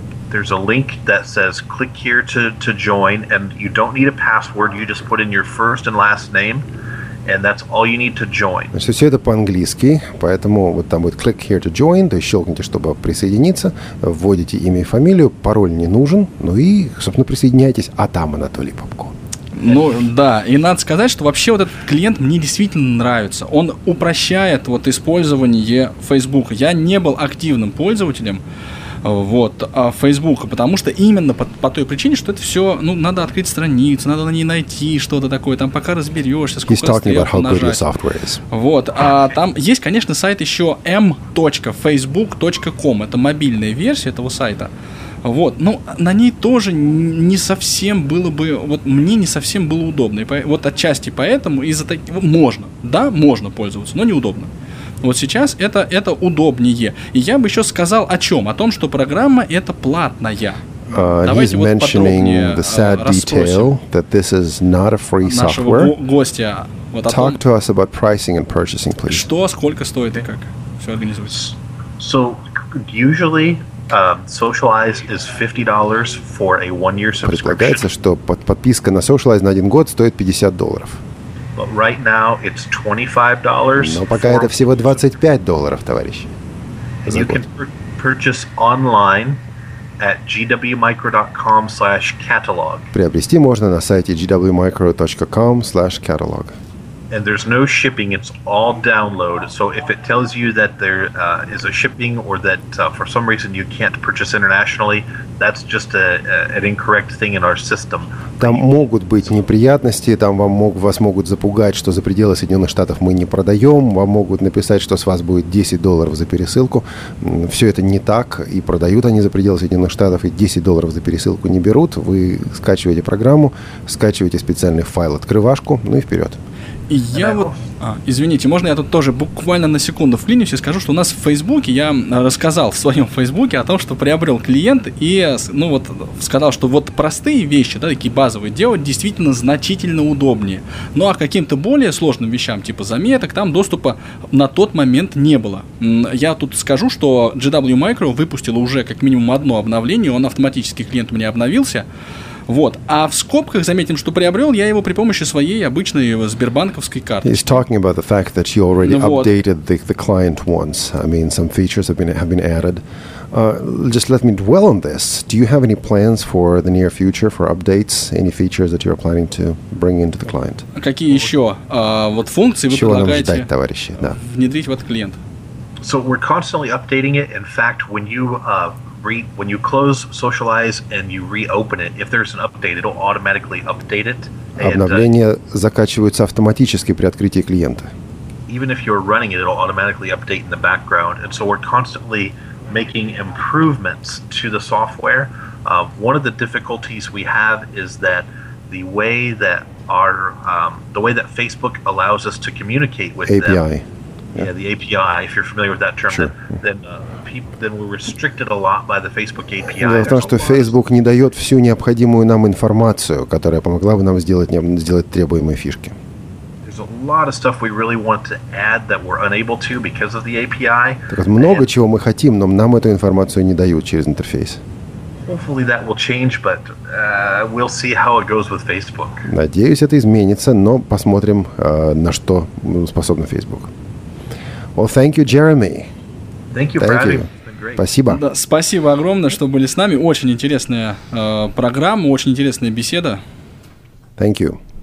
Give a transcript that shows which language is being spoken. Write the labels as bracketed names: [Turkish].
[English] There's a link that says click here to join, and you don't need a password. You just put in your first and last name, and that's all you need to join. [Russian] Значит, все это по-английски, поэтому вот там будет [English] click here to join, [Russian] то есть щелкните, чтобы присоединиться, вводите имя и фамилию, пароль не нужен, ну и, собственно, присоединяйтесь, а там Анатолий Попко. Ну да, и надо сказать, что вообще вот этот клиент мне действительно нравится. Он упрощает вот использование Facebook. Я не был активным пользователем Facebook, потому что именно по той причине, что это все, ну, надо открыть страницу, надо на ней найти что-то такое, там пока разберешься, сколько стрелок нажать. [English] He's talking about how good your software is. [Russian] Вот, а там есть, конечно, сайт еще m.facebook.com, это мобильная версия этого сайта. Вот, ну, на ней тоже не совсем было бы, вот мне не совсем было удобно. И вот отчасти поэтому из-за таких, можно, да, можно пользоваться, но неудобно. Вот сейчас это удобнее. И я бы еще сказал о чем? О том, что программа эта платная. [English] He's mentioning the sad detail that this is not a free software. [Russian] Нашего гостя. Вот [English] talk to us about pricing and purchasing, please. [Russian] Что, сколько стоит и как все организуется? [English] So, usually, Socialize is $50 for a one-year subscription. [Russian] Предполагается, что подписка на Socialize на один год стоит $50. [English] But right now it's $25. [Russian] Но пока это всего $25, товарищи. [English] And you can purchase online at gwmicro.com/catalog. [Russian] Приобрести можно на сайте gwmicro.com/catalog. [English] And there's no shipping, it's all download. So if it tells you that there is a shipping or that for some reason you can't purchase internationally, that's just an incorrect thing in our system. [Russian] Там могут быть неприятности, там вас могут запугать, что за пределы Соединенных Штатов мы не продаем, вам могут написать, что с вас будет $10 за пересылку. Все это не так, и продают они за пределы Соединенных Штатов, и $10 за пересылку не берут. Вы скачиваете программу, скачиваете специальный файл, открывашку, ну и вперед. Я вот, извините, можно я тут тоже буквально на секунду вклинюсь и скажу, что у нас в Фейсбуке, я рассказал в своем Фейсбуке о том, что приобрел клиент и, ну вот, сказал, что вот простые вещи, да, такие базовые, делать действительно значительно удобнее. Ну, а каким-то более сложным вещам, типа заметок, там доступа на тот момент не было. Я тут скажу, что GW Micro выпустила уже как минимум одно обновление, он автоматически, клиент у меня обновился. Вот. А в скобках заметим, что приобрел я его при помощи своей обычной сбербанковской карты. [English] He's talking about the fact that you already updated the client once. I mean, some features have been added. Just let me dwell on this. Do you have any plans for the near future for updates? Any features that you are planning to bring into the client? [Russian] Какие еще вот функции вы предлагаете внедрить в этот клиент? [English] So we're constantly updating it. In fact, when you when you close Socialize and you reopen it, if there's an update, it'll automatically update it. [Russian] Обновления закачиваются автоматически при открытии клиента. [English] Even if you're running it, it'll automatically update in the background. And so we're constantly making improvements to the software. One of the difficulties we have is that the way that Facebook allows us to communicate with API. Them, yeah, the API, if you're familiar with that term, sure. then we're restricted a lot by the Facebook API. [Russian] Дело в том, что Facebook не дает всю необходимую нам информацию, которая помогла бы нам сделать требуемые фишки. [English] There's a lot of stuff we really want to add that we're unable to because of the API. [Russian] Так вот, много чего мы хотим, но нам эту информацию не дают через интерфейс. [English] Hopefully that will change, but we'll see how it goes with Facebook. [Russian] Надеюсь, это изменится, но посмотрим, на что способен Facebook. [English] Well, thank you, Jeremy. Thank you. [Russian] Спасибо. Да, спасибо огромное, что были с нами. Очень интересная программа, очень интересная беседа. [English] Thank you.